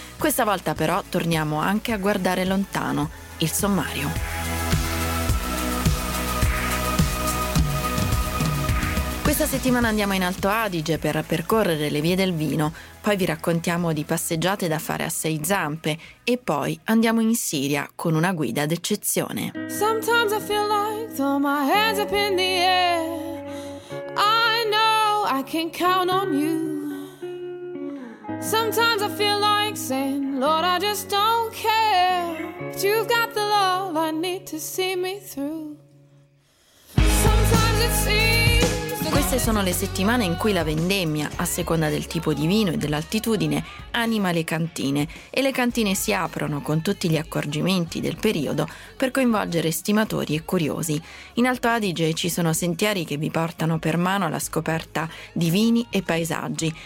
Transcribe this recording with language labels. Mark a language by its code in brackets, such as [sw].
[it] Questa volta però torniamo anche a guardare lontano, il sommario. Questa settimana andiamo in Alto Adige per percorrere le vie del vino, poi vi raccontiamo di passeggiate da fare a sei zampe e poi andiamo in Siria con una guida d'eccezione. [en] Sometimes I feel like throw my hands up in the air. I know I can count on you. Sometimes I feel like saying, Lord, I just don't care. But you've got the love I need to see me through. Sometimes it seems. [it] Queste sono le settimane in cui la vendemmia, a seconda del tipo di vino e dell'altitudine, anima le cantine e le cantine si aprono con tutti gli accorgimenti del periodo per coinvolgere estimatori e curiosi. In Alto Adige ci sono sentieri che vi portano per mano alla scoperta di vini e paesaggi.